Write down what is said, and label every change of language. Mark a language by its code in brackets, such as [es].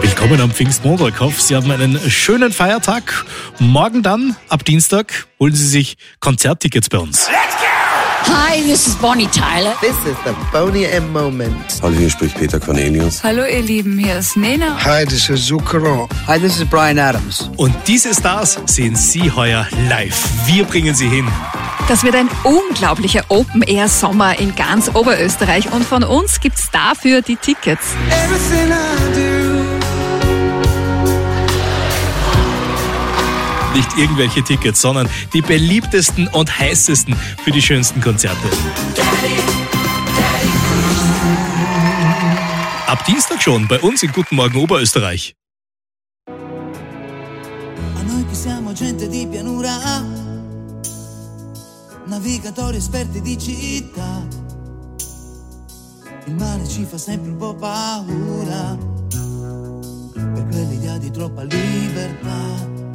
[de] Willkommen am Pfingstmontag. Ich hoffe, Sie haben einen schönen Feiertag. Morgen dann, ab Dienstag, holen Sie sich Konzerttickets bei uns. [en] Hi, this is Bonnie Tyler. This is the Bonnie M Moment. [de] Hallo, hier spricht Peter Cornelius. Hallo, ihr Lieben, hier ist Nena. [en] Hi, this is Zucchero. Hi, this is Brian Adams. [de] Und diese Stars sehen Sie heuer live. Wir bringen Sie hin. Das wird ein unglaublicher Open-Air-Sommer in ganz Oberösterreich. Und von uns gibt's dafür die Tickets. [en] Everything I do. [de] Nicht irgendwelche Tickets, sondern die beliebtesten und heißesten für die schönsten Konzerte. Ab Dienstag schon bei uns in Guten Morgen Oberösterreich. [it] A noi che siamo gente di pianura, navigatori esperti di città. Il mare ci fa sempre un po' paura, per quell'idea di troppa libertà.